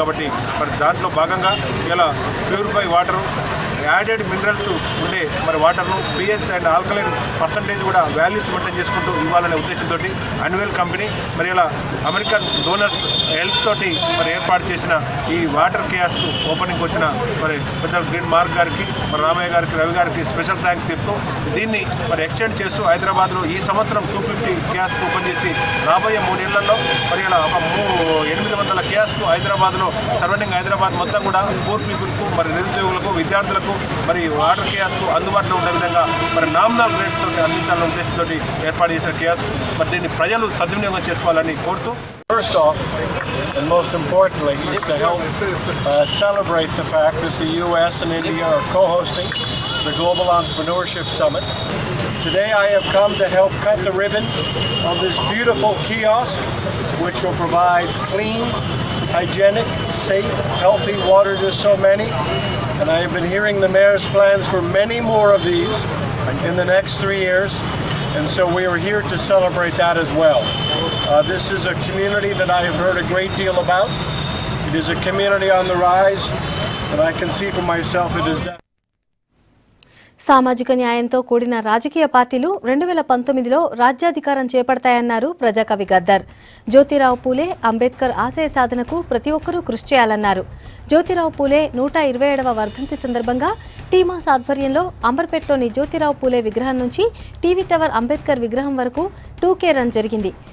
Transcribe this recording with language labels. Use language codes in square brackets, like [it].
[te] కాబట్టి మరి దాంట్లో భాగంగా ఇలా ప్యూరిఫై వాటర్ యాడెడ్ మినరల్స్ ఉండే మరి వాటర్ను పిహెచ్ అండ్ ఆల్కలైన్ పర్సంటేజ్ కూడా వాల్యూస్ మెయింటైన్ చేసుకుంటూ ఇవ్వాలనే ఉద్దేశంతో అన్యువల్ కంపెనీ మరి ఇలా అమెరికన్ డోనర్స్ హెల్ప్ తోటి మరి ఏర్పాటు చేసిన ఈ వాటర్ కేయాస్కు ఓపెనింగ్ వచ్చిన మరి పెద్ద గ్రీన్ మార్క్ గారికి మరి రామయ్య గారికి రవి గారికి స్పెషల్ థ్యాంక్స్ చెప్తూ దీన్ని మరి ఎక్స్టెండ్ చేస్తూ హైదరాబాద్లో ఈ సంవత్సరం 250 కేయాస్కు ఓపెన్ చేసి రాబోయే 3 ఏళ్లలో మరి ఇలా ఒక 800 కేయాస్కు హైదరాబాద్లో సరౌండింగ్ హైదరాబాద్ మొత్తం కూడా పూర్ పీపుల్కు మరి నిరుద్యోగులకు విద్యార్థులకు మరి వాటర్ కేయాస్కు అందుబాటులో ఉండే విధంగా మరి నామినల్ రేట్స్ తోటి అందించాలన్న ఉద్దేశంతో ఏర్పాటు చేసిన కేయాస్ మరి దీన్ని ప్రజలు సద్వినియోగం చేసుకోవాలని కోరుతూ [en] First off, and most importantly, is to help celebrate the fact that the U.S. and India are co-hosting the Global Entrepreneurship Summit. Today I have come to help cut the ribbon of this beautiful kiosk, which will provide clean, hygienic, safe, healthy water to so many. And I have been hearing the mayor's plans for many more of these in the next 3 years. And so we are here to celebrate that as well. This is a community that I have heard a great deal about. It is a community on the rise, and I can see for myself it is done. [te] సామాజిక న్యాయంతో కూడిన రాజకీయ పార్టీలు 2019లో రాజ్యాధికారం చేపడతాయన్నారు ప్రజాకవి గద్దర్. జ్యోతిరావు పూలే అంబేద్కర్ ఆశయ సాధనకు ప్రతి ఒక్కరూ కృషి చేయాలన్నారు. జ్యోతిరావు పూలే 127వ వర్ధంతి సందర్భంగా టీమాస్ ఆధ్వర్యంలో అంబర్పేటలోని జ్యోతిరావు పూలే విగ్రహం నుంచి టీవీ టవర్ అంబేద్కర్ విగ్రహం వరకు 2K రన్ జరిగింది.